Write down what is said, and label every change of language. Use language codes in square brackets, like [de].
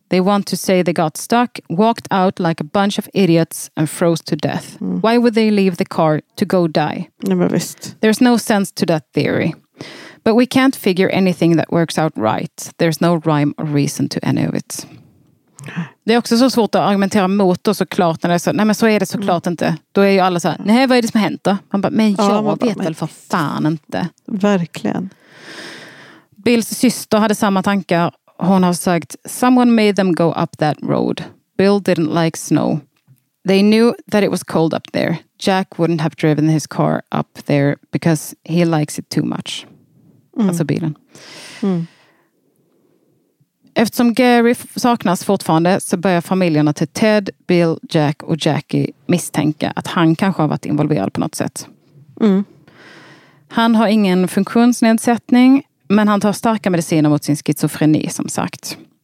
[en] They want to say they got stuck, walked out like a bunch of idiots and froze to death. Mm. Why would they leave the car to go die? [sv] Nej, men visst. [en] There's no sense to that theory. But we can't figure anything that works out right. There's no rhyme or reason to any of it. [sv] Det är också så svårt att argumentera mot oss såklart. När det är så, nej, men så är det såklart inte. Då är ju alla så här, nej, vad är det som har hänt då? Man bara, men jag vet väl för fan inte. Verkligen. Bills syster hade samma tankar. Hon har sagt, [en] someone made them go up that road. Bill didn't like snow. They knew that it was cold up there. Jack wouldn't have driven his car up there because he likes it too much. Mm. [sv] Alltså bilen. Mm. Eftersom Gary saknas fortfarande så börjar familjerna till Ted, Bill, Jack och Jackie misstänka att han kanske har varit involverad på något sätt. Mm. Han har ingen funktionsnedsättning, men han tar starka mediciner mot sin schizofreni, som sagt.